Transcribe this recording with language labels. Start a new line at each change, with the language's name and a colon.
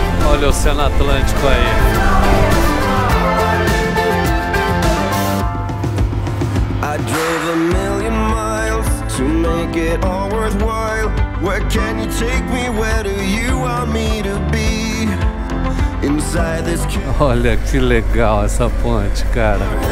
Portuguese: Olha o Oceano Atlântico aí.
English: I drove a million miles to make it all worthwhile. Where can you take me? Where do you want me to be? Inside this.
Portuguese: Olha que legal essa ponte, cara.